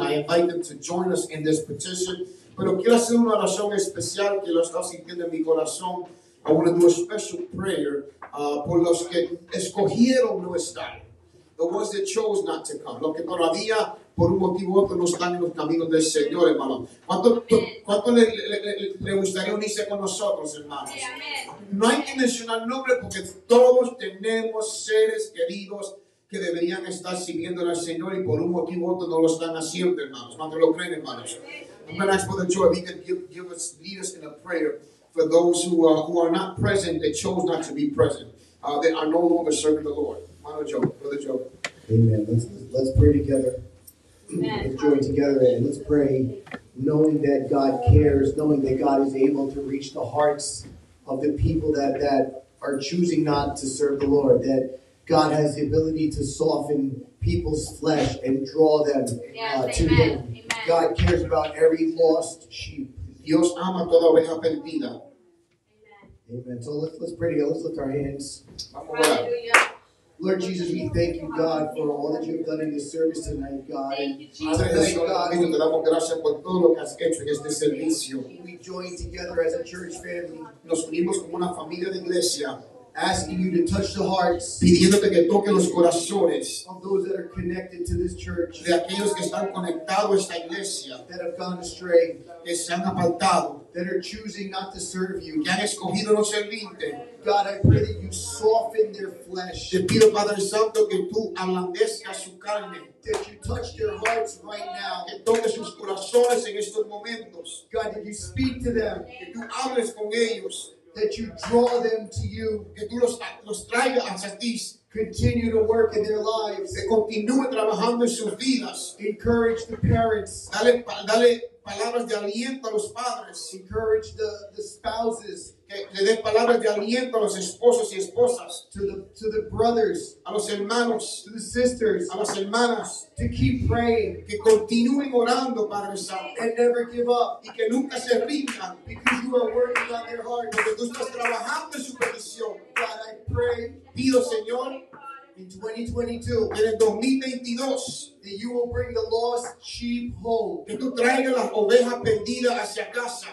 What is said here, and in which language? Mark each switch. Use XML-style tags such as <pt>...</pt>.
<en>I invite them to join us in this petition.</en> <es>Pero quiero hacer una oración especial que lo está sintiendo en mi corazón.</es> <en>I want to do a special prayer</en> <es>por los que escogieron no estar.</es> <en>The ones that chose not to come.</en> <es>Los que todavía, por un motivo u otro, no están en los caminos del Señor, hermano. ¿Cuánto le gustaría unirse con nosotros, hermanos? No hay que mencionar nombres porque todos tenemos seres queridos que deberían estar siguiendo al Señor y por un motivo u otro no lo están haciendo, hermanos. ¿Cuánto lo creen, hermanos?</es> <en>I'm going to ask for the joy if he can lead us in a prayer for those who are not present, that chose not to be present, that are no longer serving the Lord. Brother Joe. Amen. Let's pray together. Amen. Let's join together and let's pray, knowing that God cares, knowing that God is able to reach the hearts of the people that are choosing not to serve the Lord, that God has the ability to soften people's flesh and draw them to Him. Amen. God cares about every lost sheep.</en> <es>Dios ama toda oveja perdida.</es> <en>Amen. So let's pray together. Let's lift our hands. Hallelujah. Lord Jesus, we thank you, God, for all that you have done in this service tonight, God. Thank you, Jesus. We join together as a church family.</en> <es>Nos unimos como una familia de iglesia.</es> <en>Asking you to touch the hearts,</en> <es>pidiéndote que toque los corazones,</es> <en>of those that are connected to this church,</en> <es>de aquellos que están conectados a esta iglesia,</es> <en>that have gone astray,</en> <es>que se han apartado,</es> <en>that are choosing not to serve you,</en> <es>que han escogido no servirte.</es> <en>God, I pray that you soften their flesh.</en> <es>Te pido, Padre Santo, que tú ablandezcas su carne.</es> <en>That you touch their hearts right now.</en> <es>Que toques sus corazones en estos momentos.</es> <en>God, that you speak to them.</en> <es>Que tú hables con ellos.</es> <en>That you draw them to you.</en> <es>Que tú los traiga hacia ti.</es> <en>Continue to work in their lives.</en> <es>Que continúe trabajando en sus vidas.</es> <en>Encourage the parents.</en> <es>Dale palabras de aliento a los padres.</es> <en>Encourage the spouses.</en> <es>Que le dé palabras de aliento a los esposos y esposas.</es> <en>To the brothers.</en> <es>A los hermanos.</es> <en>To the sisters.</en> <es>A las hermanas.</es> <en>To keep praying.</en> <es>Que continúen orando, Padre Santo.</es> <en>And never give up.</en> <es>Y que nunca se rindan.</es> <en>Because you are working on their hearts.</en> <es>Porque tú estás trabajando en su petición.</es> <en>God, I pray.</en> <es>Pido, Señor.</es> <en>In 2022,</en> <es>en el 2022,</es> <en>that you will bring the lost sheep home.</en> <es>Que tú traigas las ovejas perdidas hacia casa.</es>